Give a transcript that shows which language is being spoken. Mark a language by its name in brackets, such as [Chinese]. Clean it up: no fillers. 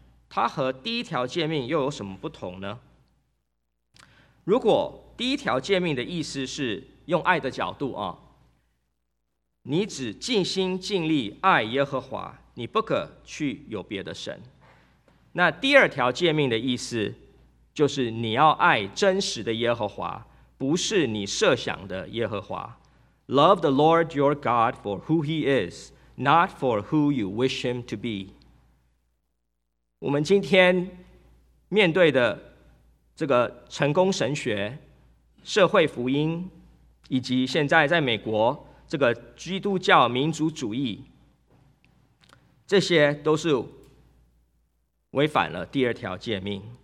[Chinese] 它和第一条诫命又有什么不同呢？如果第一条诫命的意思是用爱的角度，你只尽心尽力爱耶和华，你不可去有别的神，那第二条诫命的意思就是你要爱真实的耶和华，不是你设想的耶和华。 [English] Love the Lord your God for who he is, not for who you wish him to be. [Chinese] 我们今天面对的这个成功神学、社会福音，以及现在在美国这个基督教民族主义，这些都是违反了第二条诫命。